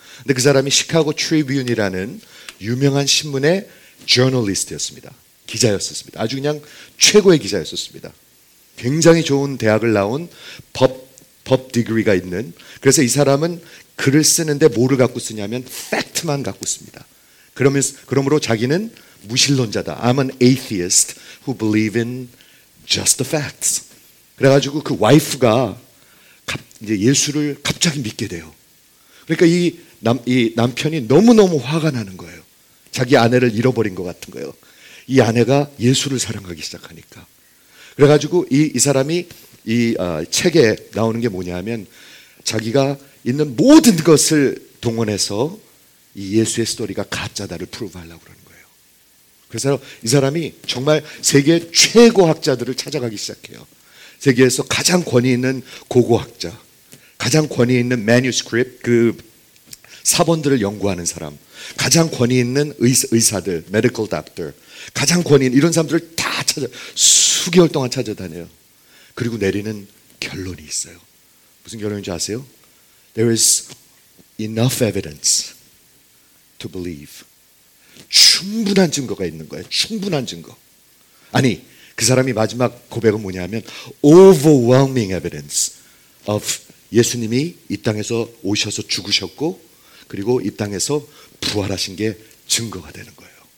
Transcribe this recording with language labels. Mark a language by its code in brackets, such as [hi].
[ko] 근데 그 사람이 시카고 트리뷴이라는 유명한 신문의 저널리스트였습니다. 기자였었습니다. 아주 그냥 최고의 기자였었습니다. 굉장히 좋은 대학을 나온 법 디그리가 있는 그래서 이 사람은 글을 쓰는데 뭐를 갖고 쓰냐면 팩트만 갖고 씁니다. 그러므로 자기는 무신론자다. [en] I'm an atheist who believe in just the facts. [ko] 그래가지고 그 와이프가 이제 예수를 갑자기 믿게 돼요. 그러니까 이 남편이 너무너무 화가 나는 거예요. 자기 아내를 잃어버린 것 같은 거예요. 이 아내가 예수를 사랑하기 시작하니까. 그래가지고 이 사람이 이 책에 나오는 게 뭐냐면 자기가 있는 모든 것을 동원해서 이 예수의 스토리가 가짜다를 프로브하려고 그러는 거예요. 그래서 이 사람이 정말 세계 최고 학자들을 찾아가기 시작해요. 세계에서 가장 권위 있는 고고학자, 가장 권위 있는 매뉴스크립트, 그 사본들을 연구하는 사람, 가장 권위 있는 의사들, 메디컬 닥터, 가장 권위 있는 이런 사람들을 다 찾아 수개월 동안 찾아다녀요. 그리고 내리는 결론이 있어요. 무슨 결론인지 아세요? [en] There is enough evidence to believe. [ko] 충분한 증거가 있는 거예요. 충분한 증거. 아니, 그 사람이 마지막 고백은 뭐냐면 [en] overwhelming evidence of [ko] 예수님이 이 땅에서 오셔서 죽으셨고 그리고 이 땅에서 부활하신 게 증거가 되는 거예요.